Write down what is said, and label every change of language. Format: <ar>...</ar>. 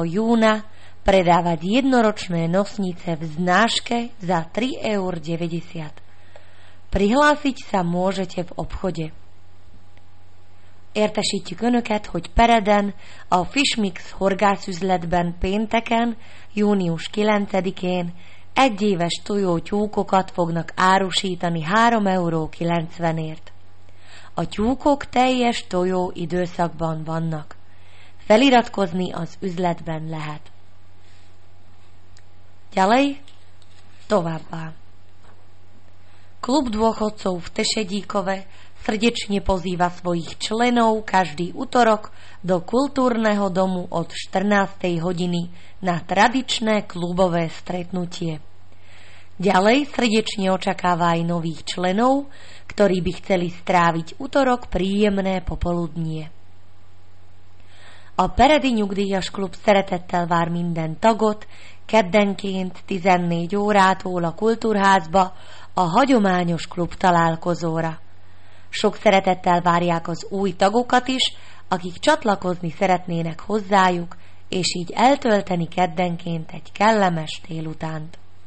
<sk>júna predávať jednoročné nosnice v znáške za 3,90 eur. Prihlásiť sa môžete v obchode.</sk> <hu>Értesítjük Önöket, hogy Pereden a Fishmix horgászüzletben pénteken, június 9-én egyéves tojótyúkokat fognak árusítani 3,90 €. A tyúkok teljes tojó időszakban vannak. Feliratkozni az üzletben lehet.</hu> <sk>Ďalej, továbbá. Klub dôchodcov v Tešedíkove srdečne pozýva svojich členov každý útorok do kultúrneho domu od 14. hodiny na tradičné klubové stretnutie. Ďalej srdečne očakáva aj nových členov, ktorí by chceli stráviť útorok príjemné popoludnie.</sk> <hu>A Peredi Nyugdíjas klub szeretettel vár minden tagot keddenként 14 órától a kultúrházba a hagyományos klub találkozóra. Sok szeretettel várják az új tagokat is, akik csatlakozni szeretnének hozzájuk, és így eltölteni keddenként egy kellemes délutánt.</hu>